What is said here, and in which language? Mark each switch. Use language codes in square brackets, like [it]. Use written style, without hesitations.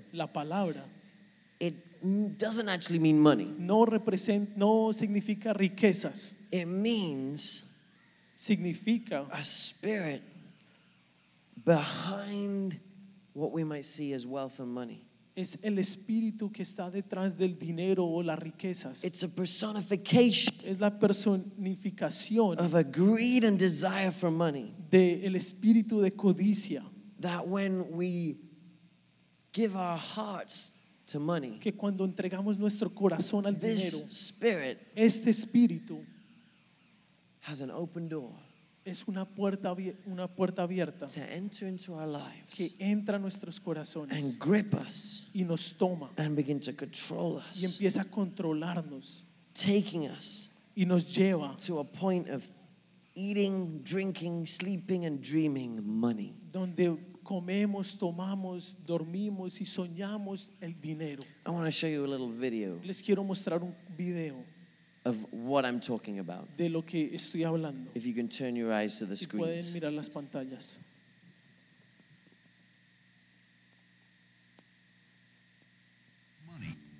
[es] La palabra. [en] It doesn't actually mean money. [es] No significa riquezas. [en] It means. [es] Significa. [en] A spirit. Behind what we might see as wealth and money. [es] Es el espíritu que está detrás del dinero o las riquezas. [en] It's a personification. [es] Es la personificación. [en] Of a greed and desire for money. [es] De el espíritu de codicia. [en] That when we give our hearts to money. [es] Que cuando entregamos nuestro corazón al [en] this [es] dinero. [en] This spirit. [es] Este espíritu. [en] Has an open door. [es] Es una puerta abierta [en] to enter into our lives [es] que entra a nuestros corazones [en] and grip us [es] y nos toma [en] and begin to control us [es] y empieza a controlarnos [en] taking us [es] y nos lleva [en] to a point of eating, drinking, sleeping and dreaming money [es] donde comemos, tomamos, dormimos y soñamos el dinero. [en] I want to show you a little video. [es] Les quiero mostrar un video [en] of what I'm talking about. [es] De lo que estoy hablando. [en] If you can turn your eyes to the [es] si [en] screens. [es] Pueden mirar las pantallas. [en] Money.